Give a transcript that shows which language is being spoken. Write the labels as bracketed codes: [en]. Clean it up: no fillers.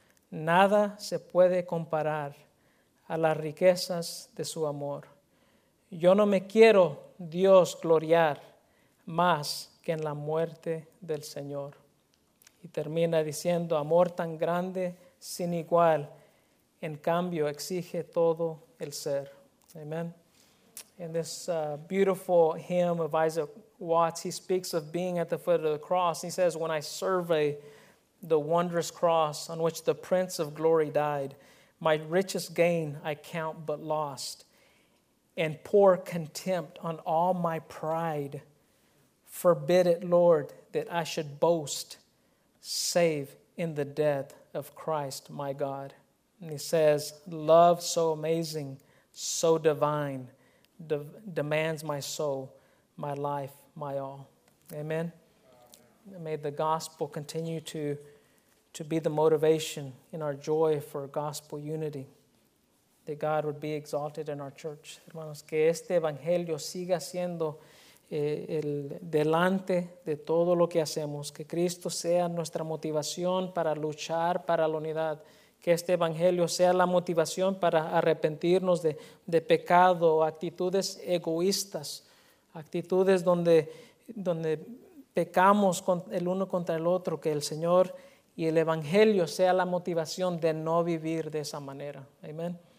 [es] Nada se puede comparar a las riquezas de su amor. Yo no me quiero, Dios, gloriar más que en la muerte del Señor. Y termina diciendo, amor tan grande, sin igual, en cambio exige todo el ser. [en] Amen. In this beautiful hymn of Isaac Watts, he speaks of being at the foot of the cross. He says, when I survey the wondrous cross on which the Prince of Glory died, my richest gain I count but lost, and pour contempt on all my pride. Forbid it, Lord, that I should boast, save in the death of Christ my God. And he says, love so amazing, so divine, demands my soul, my life, my all. Amen. May the gospel continue to be the motivation in our joy for gospel unity. That God would be exalted in our church. [es] Hermanos, que este evangelio siga siendo el delante de todo lo que hacemos, que Cristo sea nuestra motivación para luchar para la unidad, que este evangelio sea la motivación para arrepentirnos de pecado, actitudes egoístas, actitudes donde pecamos con el uno contra el otro, que el Señor y el evangelio sea la motivación de no vivir de esa manera. Amén.